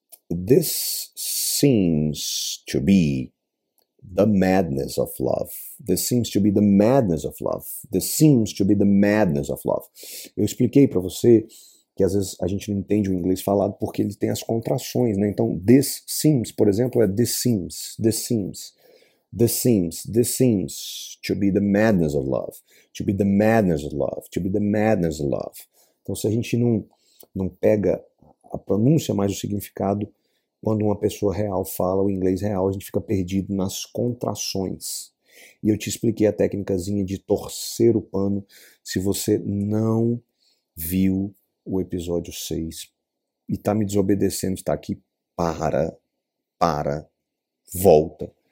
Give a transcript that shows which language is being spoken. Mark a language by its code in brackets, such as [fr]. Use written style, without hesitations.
[en] This seems to be the madness of love. This seems to be the madness of love. This seems to be the madness of love. [pt] Eu expliquei para você que às vezes a gente não entende o inglês falado porque ele tem as contrações, né? Então, this seems, por exemplo, é [en] this seems, this seems. This seems, this seems to be the madness of love. To be the madness of love. To be the madness of love. [pt] Então, se a gente não pega a pronúncia, mais o significado, quando uma pessoa real fala o inglês real, a gente fica perdido nas contrações. E eu te expliquei a técnicazinha de torcer o pano. Se você não viu o episódio 6 e tá me desobedecendo, está aqui, para, volta.